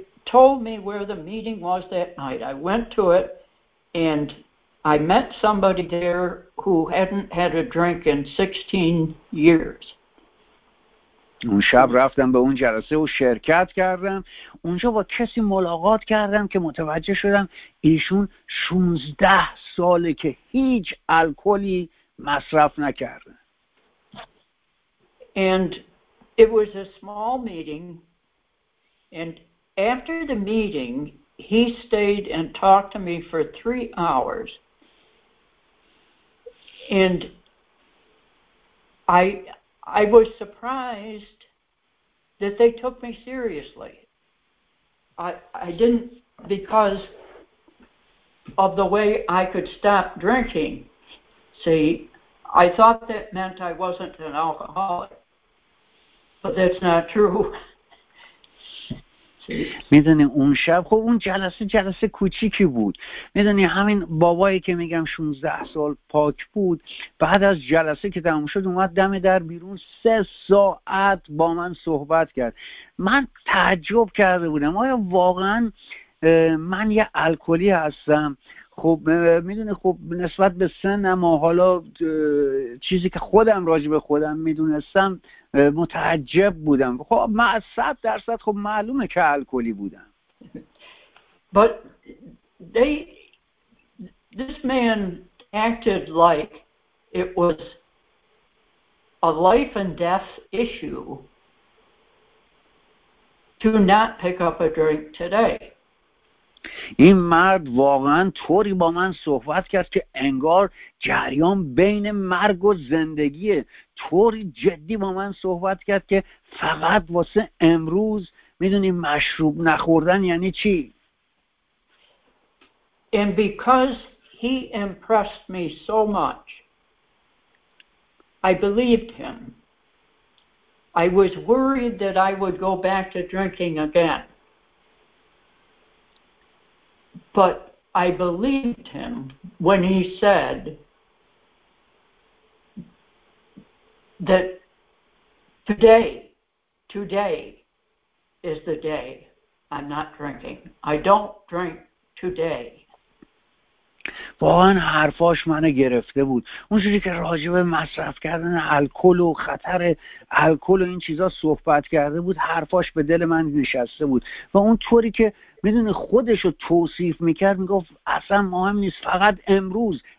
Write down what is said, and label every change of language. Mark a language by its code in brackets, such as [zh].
[en] Told me where the meeting was that night. I went to it and I met somebody there who hadn't had a drink in 16 years. [fa] اون شب رفتم به اون جلسه و شرکت کردم. اونجا با کسی ملاقات کردم که متوجه شدم ایشون 16 ساله که هیچ الکلی مصرف نکرده. [en] And it was a small meeting, and after the meeting, he stayed and talked to me for 3 hours. And I was surprised that they took me seriously. I didn't, because of the way I could stop drinking. See, I thought that meant I wasn't an alcoholic. But that's not true. [fa] میدونی اون شب، خب اون جلسه کوچیکی بود، میدونی همین بابایی که میگم 16 سال پاک بود، بعد از جلسه که تموم شد اومد دم در بیرون 3 ساعت با من صحبت کرد. من تعجب کرده بودم آیا واقعا من یه الکلی هستم. خب میدونی خب نسبت به سنم و حالا چیزی که خودم راجع به خودم میدونستم متعجب بودم. خب 100% خب معلومه که الکلی بودم. [en] But this man acted like it was a life and death issue to not pick up a drink today. [fa] این مرد واقعا طوری با من صحبت کرد که انگار جریان بین مرگ و زندگیه. طوری جدی با من صحبت کرد که فقط واسه امروز میدونی مشروب نخوردن یعنی چی. [en] And because he impressed me so much, I believed him. I was worried that I would go back to drinking again. But I believed him when he said that today is the day I'm not drinking. I don't drink today. [fa] با اون حرفاش منو گرفته بود. اونجوری که راجع به مصرف کردن الکل و خطر الکل و این چیزا صحبت کرده بود، حرفاش به دل من نشسته بود. و اون طوری که میدونه خودشو توصیف میکرد، میگفت اصلا مهم نیست، فقط امروز.